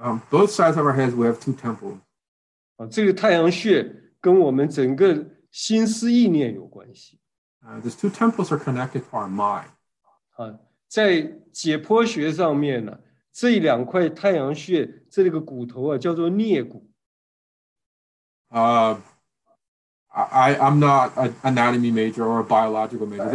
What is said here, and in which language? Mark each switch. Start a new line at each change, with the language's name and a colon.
English: Both sides of our heads, we have two temples.
Chinese: 这个太阳穴跟我们整个心思意念有关系。
English: These two temples are connected to our mind.
Chinese: 在解剖学上面呢, 这两块太阳穴, 这个骨头啊, 叫做颞骨。
English: I'm not an anatomy major or a biological major.